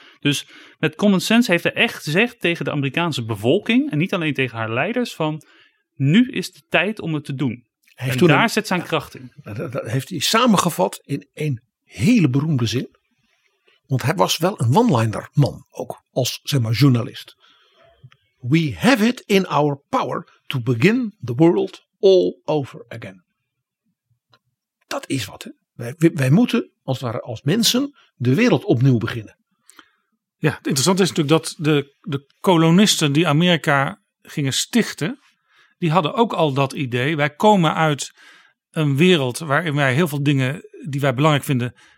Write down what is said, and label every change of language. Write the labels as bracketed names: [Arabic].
[Dutch] Dus met common sense heeft hij echt gezegd tegen de Amerikaanse bevolking, en niet alleen tegen haar leiders, van nu is de tijd om het te doen. Zet zijn kracht in. Dat heeft hij samengevat in een hele beroemde zin. Want hij was wel een one-liner man, ook als zeg maar journalist. [English] We have it in our power to begin the world all over again. [Dutch] Dat is wat. Hè? Wij moeten als het ware als mensen de wereld opnieuw beginnen. Ja, het interessante is natuurlijk dat de kolonisten die Amerika gingen stichten, die hadden ook al dat idee. Wij komen uit een wereld waarin wij heel veel dingen die wij belangrijk vinden